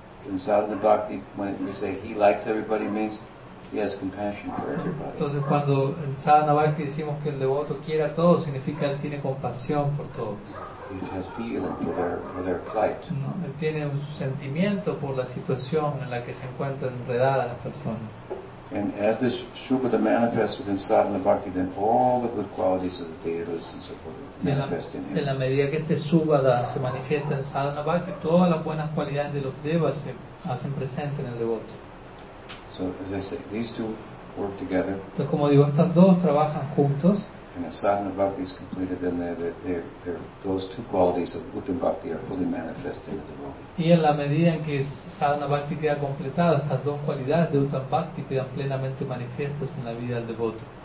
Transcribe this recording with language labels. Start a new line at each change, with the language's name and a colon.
English: In sadhana bhakti, when we say he likes everybody, means he has compassion for everybody.
Spanish: Entonces, cuando en sadhana bhakti decimos que el devoto quiere a todos, significa que él tiene compasión por todos.
English: He has feeling for their plight.
Spanish: No, él tiene un sentimiento por la situación en la que se encuentran enredadas las personas.
English: And as this shubhada manifests within sadhana bhakti, then all the good qualities of the devas and so forth manifest in him.
Spanish: En la medida que este shubhada se manifiesta en sadhana bhakti, todas las buenas cualidades de los devas se hacen presentes en el devoto.
English: So as I say, these two work together.
Spanish: Entonces, como digo, estas dos trabajan juntos.
English: And as sadhana bhakti is completed, then those two qualities of Uttam Bhakti are fully manifested in the devotee.
Spanish: Y en la medida en que sadhana bhakti queda completado, estas dos cualidades de Uttam Bhakti quedan plenamente manifiestas en la vida del devoto.